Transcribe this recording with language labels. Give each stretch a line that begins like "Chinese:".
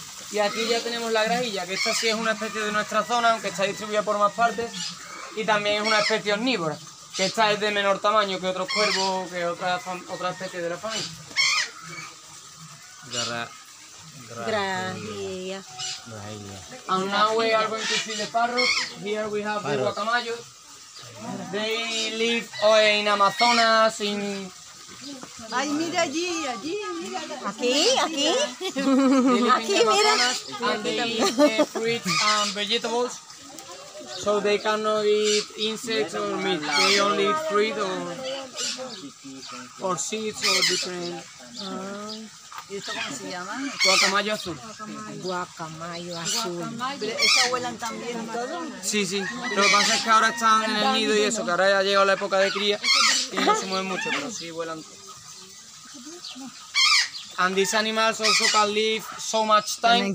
Spanish: Y aquí ya tenemos la grajilla, que esta sí es una especie de nuestra zona, aunque está distribuida por más partes, y también es una especie omnívora, que esta es de menor tamaño que otros cuervos, que otra especie de la familia. Grajilla.
English: And now we are going to see the parrots. Here we have the guacamayos. They live in Amazonas, in...
Spanish: Ay, mira allí, mira. Aquí. Aquí, mira.
English: And they eat fruit and vegetables. So they cannot eat insects or meat. They only eat fruit or seeds or different.
Spanish: ¿Y esto cómo se llama? Guacamayo azul. Guacamayo azul. ¿Estas vuelan también todo? Sí, sí. Lo que pasa es que ahora están en el nido y eso, que ahora ya ha llegado la época de cría y no se mueven mucho, pero sí vuelan todo.
English: And these animals also can live so much time.